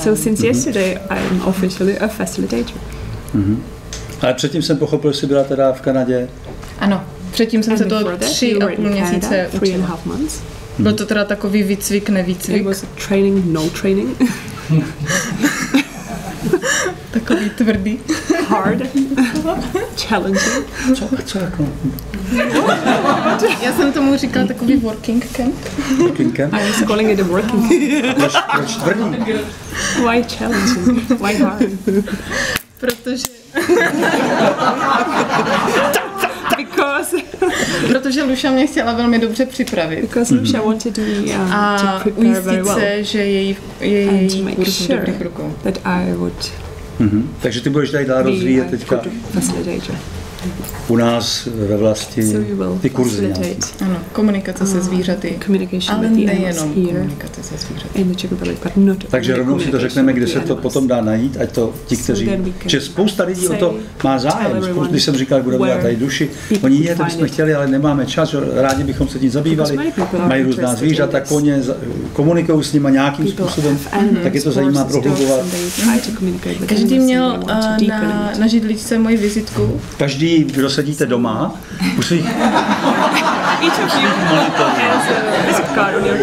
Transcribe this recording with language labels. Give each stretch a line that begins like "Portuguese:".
English: So since yesterday I'm officially a facilitator. Mm-hmm.
Czech: Ale předtím jsem pochopil, že byla teda v Kanadě. Ano, předtím jsem se to 3,5 měsíce učila.
English: And half months.
Czech: Mm-hmm. Byl to teda takový výcvik, nevýcvik.
English: It was training, no training.
Czech: Takový tvrdý.
English: Hard. Challenging.
Czech: Co jako? Já jsem tomu říkala takový
English: working camp. Working camp? I was calling it a working camp.
Czech: Proč tvrdý?
English: Why challenging? Why hard?
Czech: Protože... Protože Luša mě chtěla velmi dobře připravit.
English: Because Luša wanted me to prepare very well.
Czech: A ujistit se, že její kurz je dobrých rukou.
English: That I would...
Czech: Mm-hmm. Takže ty budeš tady dál rozvíjet teďka.
English: Facilitator.
Czech: u nás ve vlasti ty kurzy. Ano, komunikace se zvířaty. Ale nejenom komunikace se zvířaty. Takže rovnou si to řekneme, kde se to potom dá najít, ať to ti, kteří... Že spousta lidí o to má zájem. Spousta, když jsem říkal, že budeme dělat tady duši. Oni je, to bychom chtěli, ale nemáme čas. Rádi bychom se tím zabývali. Mají různá zvířata, koně, komunikují s nimi nějakým způsobem. Tak je to zajímá prohlubovat. Každý měl na židličce moji vizitku. Každý, kdo sedíte doma, musí...
English: Each of you has a visit card on your chair.